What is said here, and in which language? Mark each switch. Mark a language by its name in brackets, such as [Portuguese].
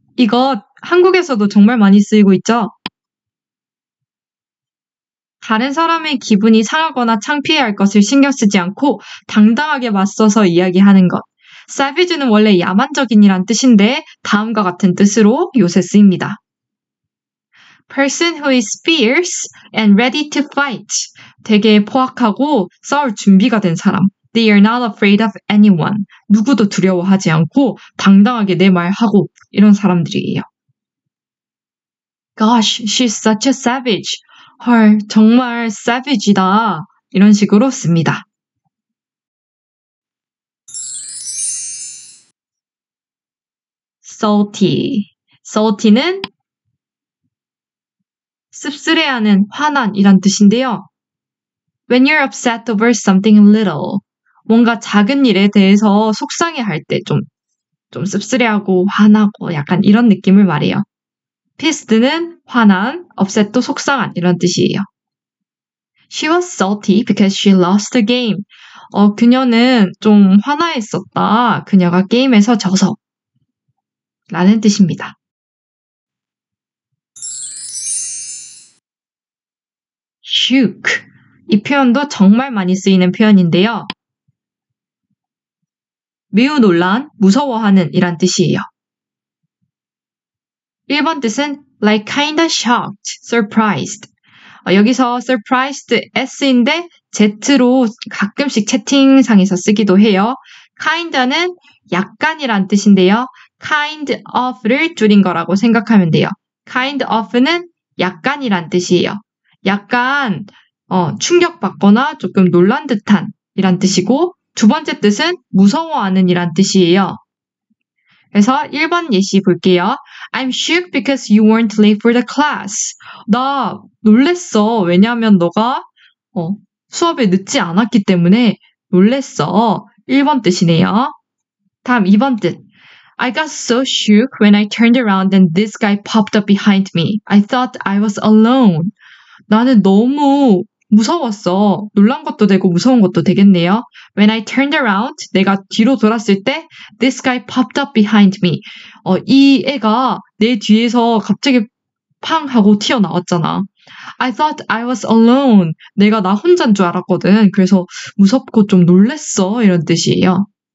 [Korean] 이거 한국에서도 정말 많이 쓰이고 있죠? 다른 사람의 기분이 상하거나 창피해할 것을 신경 쓰지 않고 당당하게 맞서서 이야기하는 것. Savage는 원래 야만적인이란 뜻인데 다음과 같은 뜻으로 요새 쓰입니다. [English] Person who is fierce and ready to fight. [Korean] 되게 포악하고 싸울 준비가 된 사람. [English] They are not afraid of anyone. [Korean] 누구도 두려워하지 않고 당당하게 내 말 하고 이런 사람들이에요. [English] Gosh, she's such a savage. [Korean] 헐, 정말 savage이다. 이런 식으로 씁니다. Salty. Salty는 씁쓸해하는, 화난 이란 뜻인데요. [English] When you're upset over something little. [Korean] 뭔가 작은 일에 대해서 속상해할 때 좀 씁쓸해하고 화나고 약간 이런 느낌을 말해요. pissed는 화난, upset도 속상한 이런 뜻이에요. [English] She was salty because she lost the game. [Korean] 그녀는 좀 화나 있었다. 그녀가 게임에서 져서. 라는 뜻입니다. 슉. 이 표현도 정말 많이 쓰이는 표현인데요. 매우 놀란, 무서워하는 이란 뜻이에요. 1번 뜻은 [English] like kinda shocked, surprised. [Korean] 여기서 surprised S인데 Z로 가끔씩 채팅상에서 쓰기도 해요. kinda는 약간이란 뜻인데요. kind of를 줄인 거라고 생각하면 돼요. kind of는 약간이란 뜻이에요. 약간 충격받거나 조금 놀란 듯한 이란 뜻이고 두 번째 뜻은 무서워하는 이란 뜻이에요. 그래서 1번 예시 볼게요. [English] I'm shook because you weren't late for the class. [Korean] 나 놀랬어. 왜냐하면 너가 수업에 늦지 않았기 때문에 놀랬어. 1번 뜻이네요. 다음 2번 뜻. [English] I got so shook when I turned around and this guy popped up behind me. I thought I was alone. [Korean] 나는 너무 무서웠어. 놀란 것도 되고 무서운 것도 되겠네요. [English] When I turned around, [Korean] 내가 뒤로 돌았을 때 [English] this guy popped up behind me. [Korean] 이 애가 내 뒤에서 갑자기 팡 하고 튀어나왔잖아. [English] I thought I was alone. [Korean] 내가 나 혼자인 줄 알았거든. 그래서 무섭고 좀 놀랬어. 이런 뜻이에요.